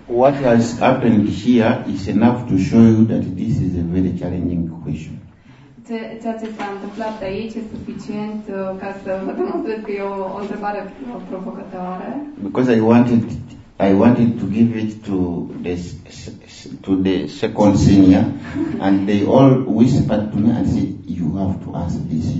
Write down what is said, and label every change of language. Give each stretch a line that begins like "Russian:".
English: What has happened here is enough to show you that this is a very challenging question.
Romanian: Ceea ce s-a întâmplat aici e suficient ca să vă demonstrez că e o întrebare provocătoare.
English: Because I wanted to give it to the second senior, and they all whispered to me and said, "You have to ask this.